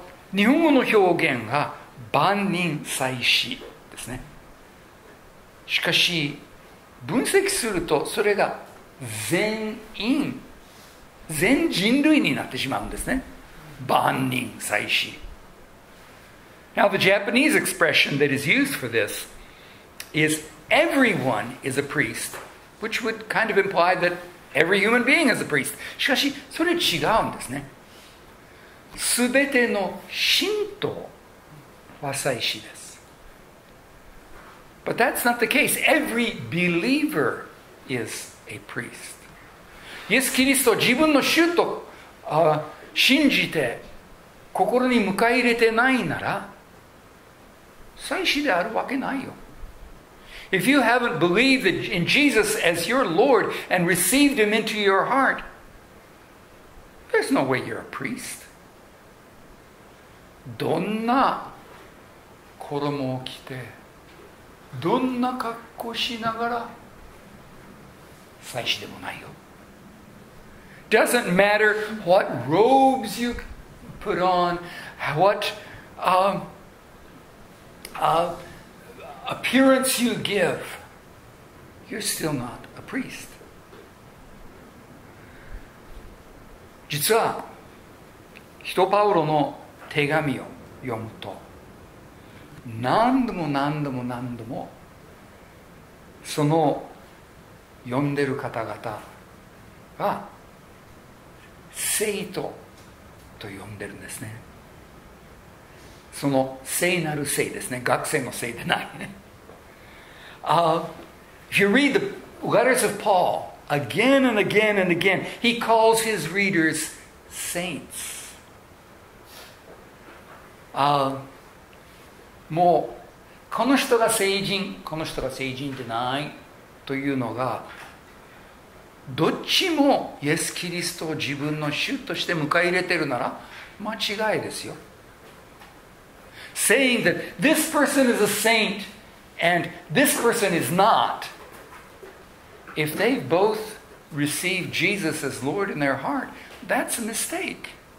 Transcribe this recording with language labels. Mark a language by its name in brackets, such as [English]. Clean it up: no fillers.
[Japanese] 日本語の表現が万人祭司ですね。しかし分析するとそれが全員全人類になってしまうんですね。万人祭司。 [English] Now the Japanese expression that is used for this is everyone is a priest, which would kind of imply that every human being is a priest. [Japanese] しかしそれ違うんですね。すべての信徒は祭司です。 [English] But that's not the case. Every believer is a priest. [Japanese] イエス・キリスト自分の主と信じて心に迎え入れてないなら祭司であるわけないよ。 [English] If you haven't believed in Jesus as your Lord and received him into your heart, there's no way you're a priest. [Japanese] どんな衣を着て、どんな格好しながら祭司でもないよ。 [English] Doesn't matter what robes you put on, appearance you give, you're still not a priest. [Japanese] 実は、使徒パウロの手紙を読むと、何度も何度も何度も、その読んでる方々が、聖徒と呼んでるんですね。その聖なる聖ですね。学生の聖でないね。 [English] If you read the letters of Paul again and again and again, he calls his readers saints. [Japanese] もうこの人が聖人、この人が聖人でないというのが、どっちもイエス・キリストを自分の主として迎え入れてるなら間違いですよ。 [English] Saying that this person is a saint and this person is not, if they both receive Jesus as Lord in their heart, that's a mistake.